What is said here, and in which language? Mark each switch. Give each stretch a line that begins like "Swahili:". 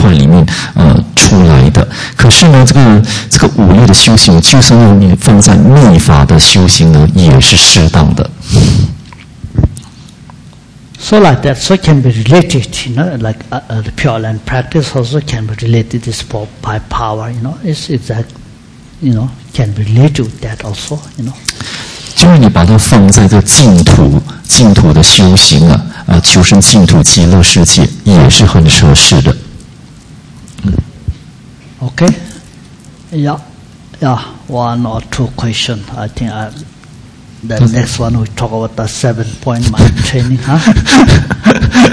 Chinese: 其实如果以菩提道次第来讲呢，它可以放在任何菩提道次第的次第里面，它可以放在下士道，也可以放在中士道的修行，也可以放到上士道的修行。可是这五力呢，其实是来自寻心训练法，寻心训练法呢，尤其是怎么样升起菩提心啊，这一块里面，要从这一块里面出来的。可是呢，这个五力的修行，就算要你放在密法的修行呢，也是适当的。So
English: like that, so can be related, you know, like the Pure Land practice also can be related this by power, you know, it's exactly, you know, can be related with that also, you know.
Chinese: 就是你把它放在这净土的修行啊，求生净土极乐世界，也是很合适的。Okay.
English: Yeah, one or two questions. I think the next one we talk about the 7-point mind training, huh?